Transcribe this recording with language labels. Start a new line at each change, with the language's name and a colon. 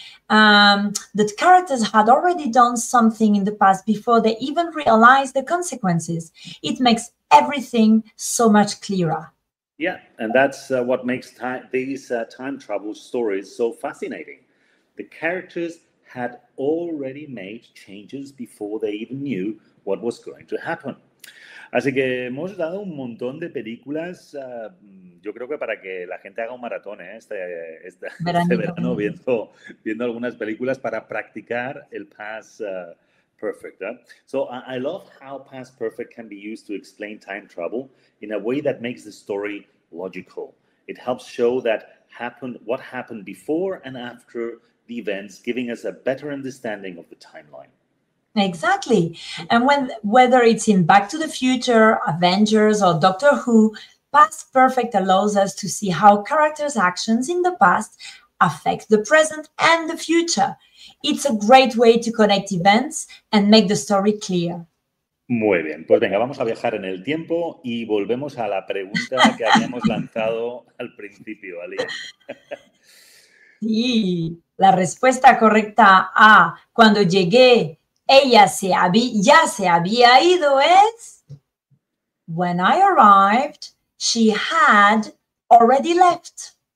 English: The characters had already done something in the past before they even realized the consequences. It makes everything so much clearer. Yeah, and that's what makes time travel stories so fascinating. The characters had already made changes before they even knew what was going to happen.
Spanish: Así que hemos dado un montón de películas, yo creo que para que la gente haga un maratón este verano viendo algunas películas para practicar el Past Perfect.
English: So I love how Past Perfect can be used to explain time travel in a way that makes the story logical. It helps show that what happened before and after the events, giving us a better understanding of the timeline. Exactly. And whether it's in Back to the Future, Avengers, or Doctor Who, Past Perfect allows us to see how characters' actions in the past affect the present and the future. It's a great way to connect events and make the story clear.
Spanish: Muy bien. Pues venga, vamos a viajar en el tiempo y volvemos a la pregunta que habíamos lanzado al principio, Ali. Sí, la respuesta correcta a cuando llegué, Ella ya se había ido, es
English: when I arrived, she had already left.